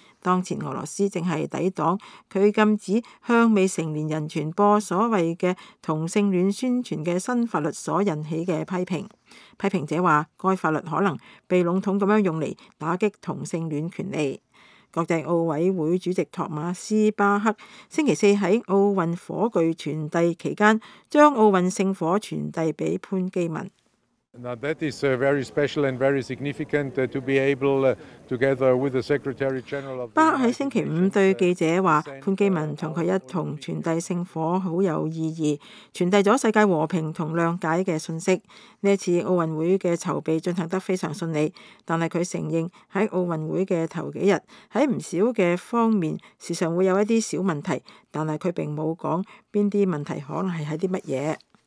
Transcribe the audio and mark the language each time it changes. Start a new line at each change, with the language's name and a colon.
Chinese: 当前俄罗斯正是抵挡他禁止向未成年人传播所谓的同性恋宣传的新法律所引起的批评。批评者说该法律可能被笼统地用来打击同性恋权利。国际奥委会主席托马斯·巴克星期四在奥运火炬传递期间将奥运圣火传递给潘基文。
English: Now that is very special and very significant to be able together with the Secretary General of.
Chinese: 巴克在星期五對記者說，潘基文和他一同傳遞聖火很有意義，傳遞了世界和平和諒解的訊息。這次奧運會的籌備進行得非常順利，但是他承認在奧運會的頭幾日，在不少的方面時常會有一些小問題，但是他並沒有說哪些問題可能是在什麼。